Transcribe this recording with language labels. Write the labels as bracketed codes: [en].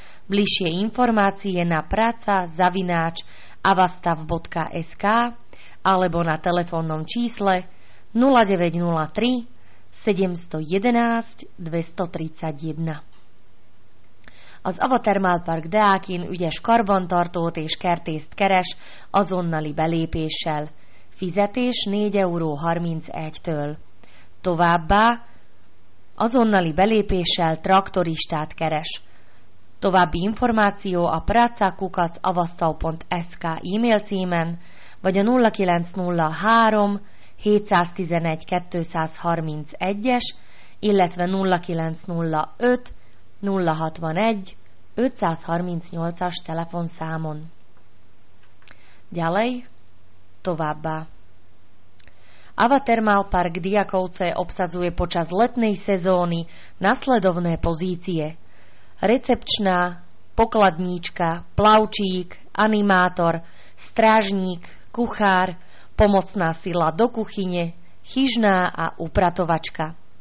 [sk] Bližšie informácie na praca@avastav.sk alebo na telefónnom čísle 0903 711 231. [hu] Az Ava Thermal Park Deákin ügyes karbantartót és kertészt keres azonnali belépéssel. Fizetés 4,31 €. Továbbá azonnali belépéssel traktoristát keres. További információ a praca@avastav.sk e-mail címen, vagy a 0903 711 231-es, illetve 0905 061 538-as telefonszámon. [sk] Ďalej, [hu] továbbá. [sk] Ava Thermal Park Diakovce obsadzuje počas letnej sezóny nasledovné pozície. Recepčná, pokladníčka, plavčík, animátor, strážník, kuchár, pomocná sila do kuchyne, chyžná a upratovačka.